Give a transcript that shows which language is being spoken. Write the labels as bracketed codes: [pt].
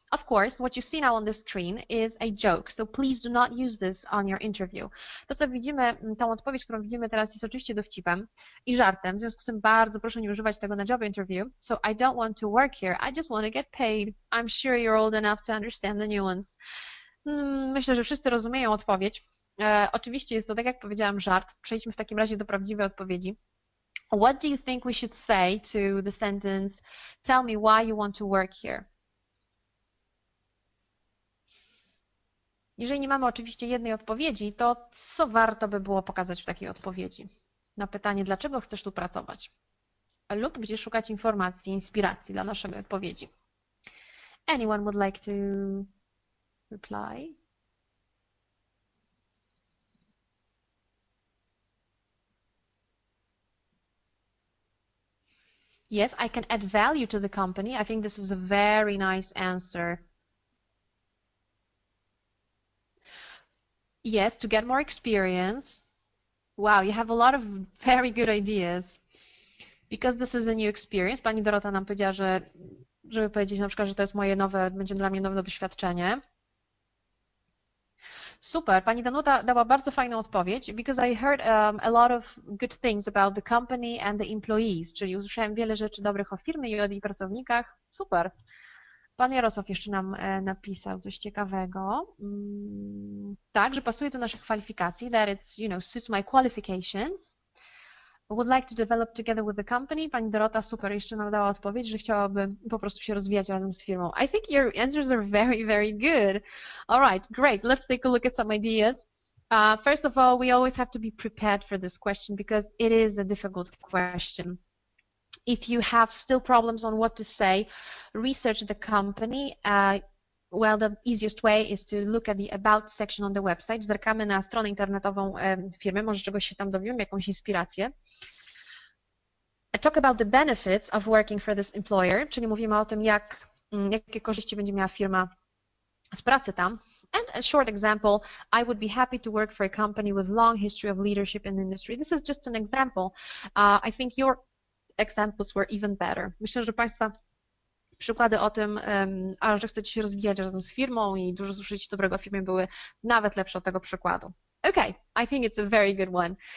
[en] Of course, what you see now on the screen is a joke, so please do not use this on your interview. [pl] To, co widzimy, tą odpowiedź, którą widzimy teraz, jest oczywiście dowcipem i żartem, w związku z tym bardzo proszę nie używać tego na job interview. [en] So I don't want to work here, I just want to get paid. I'm sure you're old enough to understand the nuance. [pl] Myślę, że wszyscy rozumieją odpowiedź. Oczywiście jest to, tak jak powiedziałam, żart. Przejdźmy w takim razie do prawdziwej odpowiedzi. [en] What do you think we should say to the sentence, tell me why you want to work here? [pl] Jeżeli nie mamy oczywiście jednej odpowiedzi, to co warto by było pokazać w takiej odpowiedzi? Na pytanie, dlaczego chcesz tu pracować? Lub gdzie szukać informacji, inspiracji dla naszej odpowiedzi? [en] Anyone would like to reply? Yes, I can add value to the company. I think this is a very nice answer. Yes, to get more experience. Wow, you have a lot of very good ideas. Because this is a new experience. [pl] Pani Dorota nam powiedziała, że żeby powiedzieć na przykład, że to jest moje nowe, będzie dla mnie nowe doświadczenie. Super, pani Danuta dała bardzo fajną odpowiedź, [en] because I heard a lot of good things about the company and the employees, [pl] czyli usłyszałem wiele rzeczy dobrych o firmie i o jej pracownikach. Super. Pan Jarosław jeszcze nam napisał coś ciekawego. Tak, że pasuje do naszych kwalifikacji, [en] that it's, you know, suits my qualifications. Would like to develop together with the company. [pl] Pani Dorota, super, jeszcze nam dała odpowiedź, że chciałaby po prostu się rozwijać razem z firmą. [en] I think your answers are very, very good. All right, great. Let's take a look at some ideas. First of all, we always have to be prepared for this question because it is a difficult question. If you have still problems on what to say, research the company. Well, the easiest way is to look at the about section on the website. [pl] Zerkamy na stronę internetową firmy, może czegoś się tam dowiemy, jakąś inspirację. [en] Talk about the benefits of working for this employer, [pl] czyli mówimy o tym, jakie korzyści będzie miała firma z pracy tam. [en] And a short example, I would be happy to work for a company with long history of leadership in the industry. This is just an example. I think your examples were even better. [pl] Myślę, że Państwa przykłady o tym, że chcecie się rozwijać razem z firmą i dużo słyszeć dobrego o firmie były nawet lepsze od tego przykładu. [en] Okay, I think it's a very good one.